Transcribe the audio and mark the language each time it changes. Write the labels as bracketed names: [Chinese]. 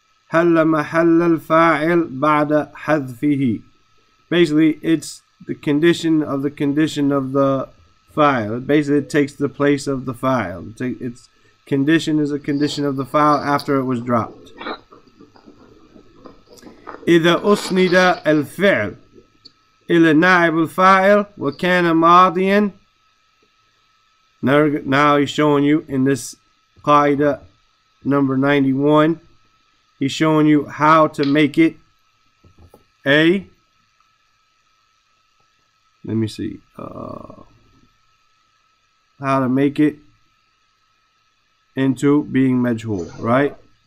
[Arabic] هل محل الفاعل بعد حذفه. [English] Basically, it's the condition of the فاعل. Basically, it takes the place of the فاعل. Its condition is a condition of the فاعل after it was dropped. [Arabic] إذا أسند الفعل إلى نائب الفاعل وكان ماضيا. [English] Now he's showing you in this qaida number 91, he's showing you how to make it a, let me see, how to make it into being majhul, right?